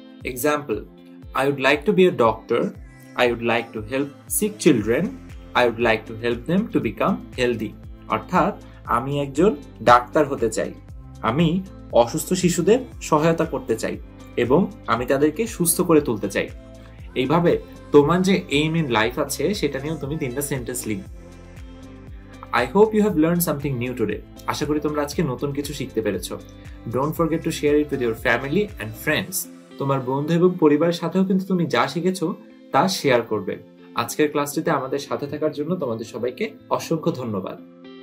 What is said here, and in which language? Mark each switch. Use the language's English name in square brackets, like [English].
[English] Example, I would like to be a doctor, I would like to help sick children, I would like to help them to become healthy. [Bangla] অর্থাৎ আমি একজন doctor হতে চাই, আমি অসুস্থ শিশুদের সহায়তা করতে চাই এবং আমি তাদেরকে সুস্থ করে তুলতে চাই। এইভাবে তোমার যে [English] aim in life [Bangla] আছে সেটা নিয়েও তুমি তিনটা সেন্টেন্স লিখবে। [English] I hope you have learned something new today. [Bangla] আশা করি তোমরা আজকে নতুন কিছু শিখতে পেরেছো। [English] Don't forget to share it with your family and friends. [Bangla] তোমার বন্ধু এবং পরিবারের সাথেও কিন্তু তুমি যা শিখেছো তা শেয়ার করবে। আজকের ক্লাসটিতে আমাদের সাথে থাকার জন্য তোমাদের সবাইকে অসংখ্য ধন্যবাদ।